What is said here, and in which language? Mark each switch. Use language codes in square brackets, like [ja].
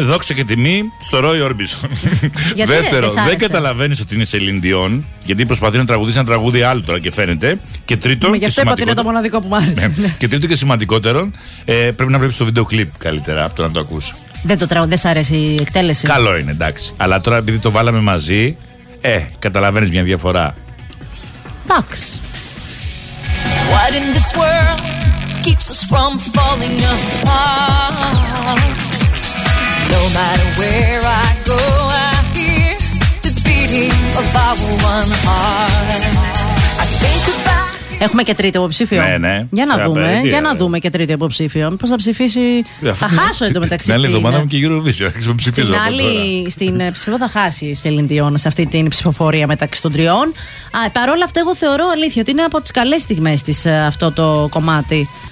[el] Δόξα και τιμή στο Roy Orbison. Δεύτερο, δεν καταλαβαίνει ότι είναι Celine Dion, γιατί προσπαθεί να τραγουδήσει ένα τραγούδι άλλο τώρα και φαίνεται. Και τρίτον. Γι' αυτό είπα ότι είναι το μοναδικό που μου άρεσε. Και τρίτον και σημαντικότερο, πρέπει να βλέπει το βίντεο κλιπ καλύτερα από το να το ακού. Δεν το τραγούδι, δεν σ' αρέσει η εκτέλεση. Καλό είναι, εντάξει. Αλλά τώρα επειδή το βάλαμε μαζί, καταλαβαίνει μια διαφορά. Εντάξει. [en] What in this world keeps us from falling apart? No matter where I go, I hear the beating of our one heart. I think about. [el] Έχουμε και τρίτο υποψήφιο. Ναι, ναι. Για να δούμε. Για να δούμε και τρίτο υποψήφιο. Πώς θα ψηφίσει. Θα χάσω εντωμεταξύ. Την άλλη εβδομάδα μου και η Eurovision. Στην άλλη, στην ψηφό θα χάσει η Celine Dion σε αυτή την ψηφοφορία μεταξύ των τριών. Παρ' όλα αυτά, εγώ θεωρώ αλήθεια ότι είναι από τις καλές στιγμές της αυτό το κομμάτι.